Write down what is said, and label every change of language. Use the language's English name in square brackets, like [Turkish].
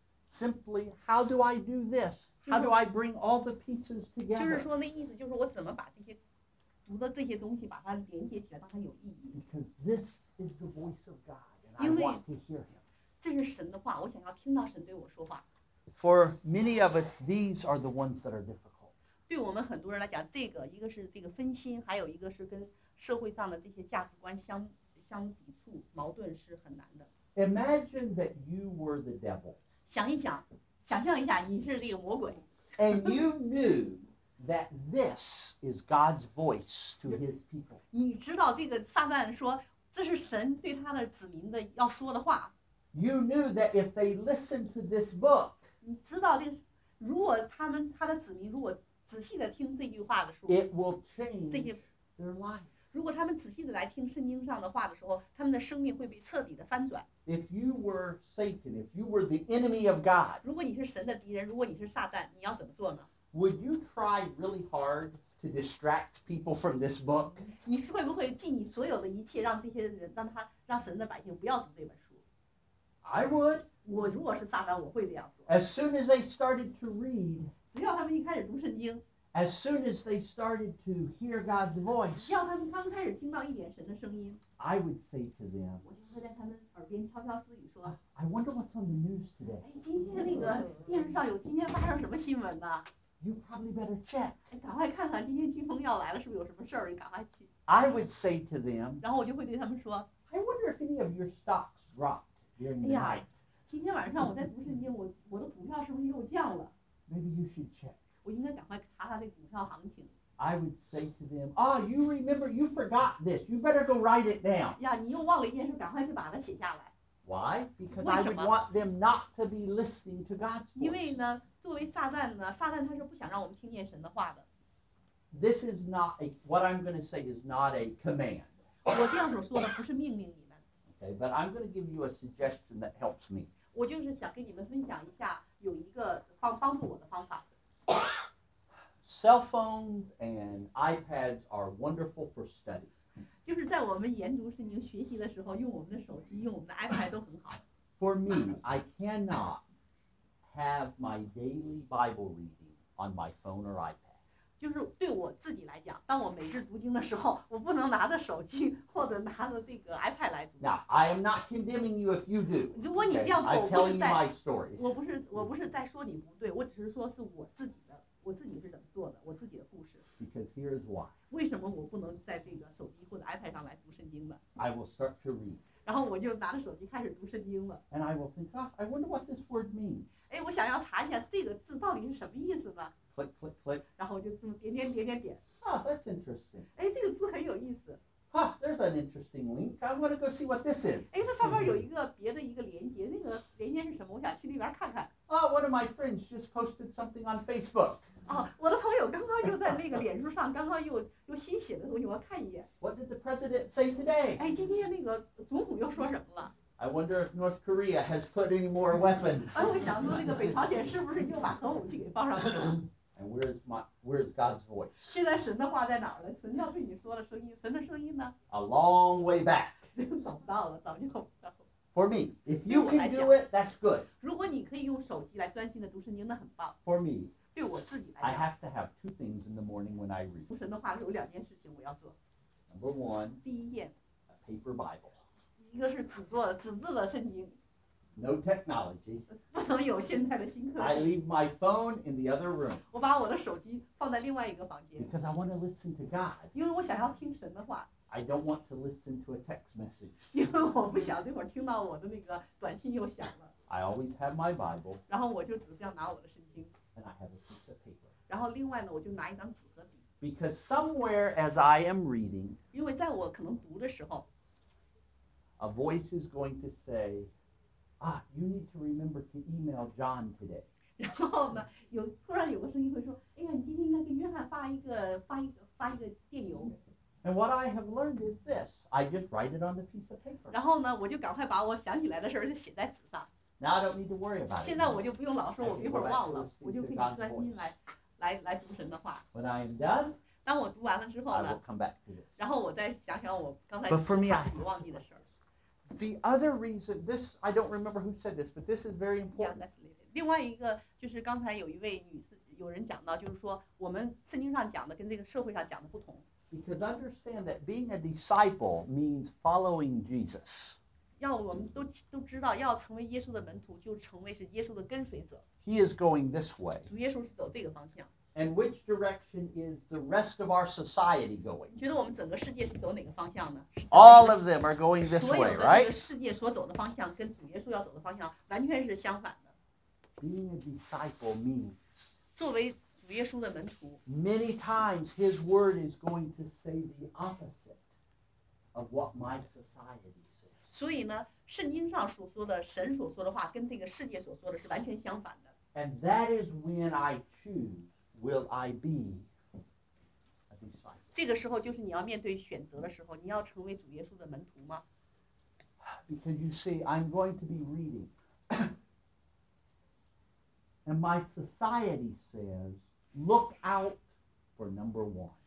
[English] Simply, how do I do this? How do I bring all the pieces together? [Chinese] 就是说，那意思就是我怎么把这些读的这些东西把它连接起来，让它有意义。 [English] Because this is the voice of God, and I want to hear Him. [Chinese] 这是神的话，我想要听到神对我说话。 [English] For many of us, these are the ones that are difficult. [Chinese] 对我们很多人来讲，这个一个是这个分心，还有一个是跟社会上的这些价值观相抵触，矛盾是很难的。 [English] Imagine that you were the devil. [Chinese] 想一想，想象一下，你是这个魔鬼。 [English] And you knew that this is God's voice to His people. [Chinese] 你知道这个撒旦说，这是神对他的子民的要说的话。 [English] You knew that if they listen to this book, [Chinese] 你知道这个，如果他们他的子民如果仔细的听这句话的时候 [English] ，it will change [Chinese] 这些 [English] their life. [Chinese] 如果他们仔细的来听圣经上的话的时候，他们的生命会被彻底的翻转。 [English] If you were Satan, if you were the enemy of God, [Chinese] 如果你是神的敌人，如果你是撒旦，你要怎么做呢 [English] ？Would you try really hard to distract people from this book? [Chinese] 你会不会尽你所有的一切，让这些人，让神的百姓不要读这本书 [English] ？I would. [Chinese] 我如果是撒旦，我会这样做。 [English] As soon as they started to read, [Chinese] 只要他们一开始读圣经。 [English] As soon as they started to hear God's voice, [Chinese] 要他们刚开始听到一点神的声音 [English] I would say to them, [Chinese] 我就会在他们耳边悄悄私语说 [English] I wonder what's on the news today. [Chinese] 哎，今天那个电视上有今天发生什么新闻呢 [English] You probably better check. [Chinese] 哎，赶快看看今天飓风要来了，是不是有什么事儿？你赶快去 [English] I would say to them, [Chinese] 然后我就会对他们说 [English] I wonder if any of your stocks dropped during the night. [Chinese] 哎呀，今天晚上我在读圣经，我的股票是不是又降了 [English] Maybe you should check. [Chinese] 我应该赶快查查这股票行情。 [English] I would say to them, "Oh, you remember? You forgot this. You better go write it down." [Chinese] 呀，你又忘了一件事，赶快去把它写下来。 [English] Why? Because I would want them not to be listening to God's voice. [Chinese] 因为呢，作为撒旦呢，撒旦他是不想让我们听见神的话的。 [English] This is not a what I'm going to say is not a command. [Chinese] 我这样所说的不是命令你们。 [English] Okay, but I'm going to give you a suggestion that helps me. [Chinese] 我就是想跟你们分享一下有一个帮助我的方法。 [English] Cell phones and iPads are wonderful for study. [Chinese] 就是在我们研读圣经学习的时候，用我们的手机，用我们的 iPad 都很好。 [English] For me, I cannot have my daily Bible reading on my phone or iPad. [Chinese] 就是对我自己来讲，当我每日读经的时候，我不能拿着手机或者拿着这个 iPad 来读。 [English] Now, I am not condemning you if you do. [Chinese] 如果你这样做， [English] I'm telling you my story. [Chinese] 我不是在说你不对，我只是说是我自己。我自己是怎么做的？我自己的故事。 [English] Because here is why. [Chinese] 为什么我不能在这个手机或者 iPad 上来读圣经呢 [English] ？I will start to read. [Chinese] 然后我就拿着手机开始读圣经了。 [English] And I will think, ah, I wonder what this word means. [Chinese] 哎，我想要查一下这个字到底是什么意思呢 [English] ？Click, click, click. [Chinese] 然后我就这么点点点点点。 [English] Ah, that's interesting. [Chinese] 哎，这个字很有意思。 [English] Ah, there's an interesting link. I want to go see what this is. [Chinese] 哎，它上面有一个别的一个连接，那个连接是什么？我想去那边看看。 [English] Ah, one of my friends just posted something on Facebook. [Chinese] 我的朋友刚刚又在那个脸书上，刚刚又新写的东西，我要看一眼。 [English] What did the president say today? [Chinese] 哎，今天那个总统又说什么了 [English] ？I wonder if North Korea has put any more weapons. [Chinese] 哎，我想说那个北朝鲜是不是又把核武器给放上去了 [English] ？And where's God's voice? [Chinese] 现在神的话在哪儿呢？神要对你说的声音，神的声音呢 [English] ？A long way back. [Chinese] 找不到了，早就找不到了。 [English] For me, if you can do it, that's good. [Chinese] 如果你可以用手机来专心的读圣经，那很棒。 [English] For me. [Chinese] 对我自己来讲 [English] I have to have two things in the morning when I read. [Chinese] 读神的话有两件事情我要做。 [English] Number one. [Chinese] 第一件。 [English] A paper Bible. [Chinese] 一个是纸质的圣经。 [English] No technology. [Chinese] 不能有现代的新科技。 [English] I leave my phone in the other room. [Chinese] 我把我的手机放在另外一个房间。 [English] Because I want to listen to God. [Chinese] 因为我想要听神的话。 [English] I don't want to listen to a text message. [Chinese] 因为我不想这会儿听到我的那个短信又响了。 [English] I always have my Bible. [Chinese] 然后我就只需要拿我的圣经。 [English] And I have a piece of paper. [Chinese] 然后另外呢，我就拿一张纸和笔。 [English] Because somewhere as I am reading, [Chinese] 因为在我可能读的时候 [English] a voice is going to say, ah, you need to remember to email John today. [Chinese] 然后呢，有突然有个声音会说，哎呀，你今天应该给约翰发一个电邮。 [English] And what I have learned is this: I just write it on the piece of paper. [Chinese] 然后呢，我就赶快把我想起来的事儿就写在纸上。 [English] Now I don't need to worry about it. [Chinese] 现在我就不用老说我一会儿忘了，我就可以专心来读神的话。 [English] When I am done. [Chinese] 当我读完了之后呢？ [English] I will come back to this. [Chinese] 然后我再想想我刚才差点忘记的事儿。 [English] The other reason, this, I don't remember who said this, but this is very important. Yeah, that's it. [Chinese] 另外一个就是刚才有一位女士有人讲到，就是说我们圣经上讲的跟这个社会上讲的不同。 [English] Because understand that being a disciple means following Jesus. [Chinese] 要我们都知道，要成为耶稣的门徒，就成为是耶稣的跟随者。 [English] He is going this way. [Chinese] 主耶稣是走这个方向。 [English] And which direction is the rest of our society going? [Chinese] 觉得我们整个世界是走哪个方向呢？ [English] All of them are going this way, right? [Chinese] 所有的这个世界所走的方向跟主耶稣要走的方向完全是相反的。 [English] Being a disciple means [Chinese] 作为主耶稣的门徒。 [English] Many times his word is going to say the opposite of what my society says. [Chinese] 所以呢，圣经上所说的神所说的话跟这个世界所说的是完全相反的。 [English] And that is when I choose. Will I be a disciple? [Chinese] 这个时候就是你要面对选择的时候，你要成为主耶稣的门徒吗？ [English] Because you see, I'm going to be reading, and my society says, "Look out for number one."